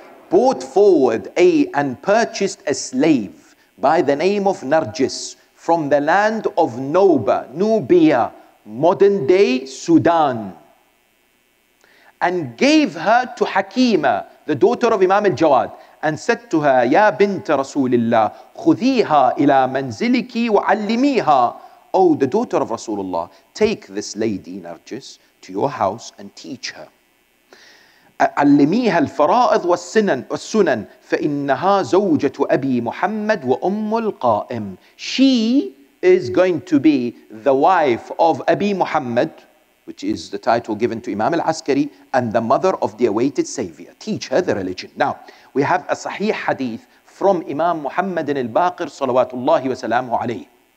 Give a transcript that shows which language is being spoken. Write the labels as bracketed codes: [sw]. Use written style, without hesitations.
[en] brought forward and purchased a slave by the name of Narjis from the land of Nubia, modern-day Sudan, and gave her to Hakima, the daughter of Imam al-Jawad, and said to her, [ar] Ya bint Rasulullah, khudhiha ila manziliki wa allimiha. [en] Oh, the daughter of Rasulullah, take this lady, Narjis, to your house and teach her. [ar] علميها الفرائض والسنن فإنها زوجة أبي محمد وأم القائم. [en] She is going to be the wife of Abi Muhammad, which is the title given to Imam al-Askari, and the mother of the awaited savior. Teach her the religion. Now, we have a sahih hadith from Imam Muhammad al-Baqir, [ar] salawatullahi wa salamu alayhi.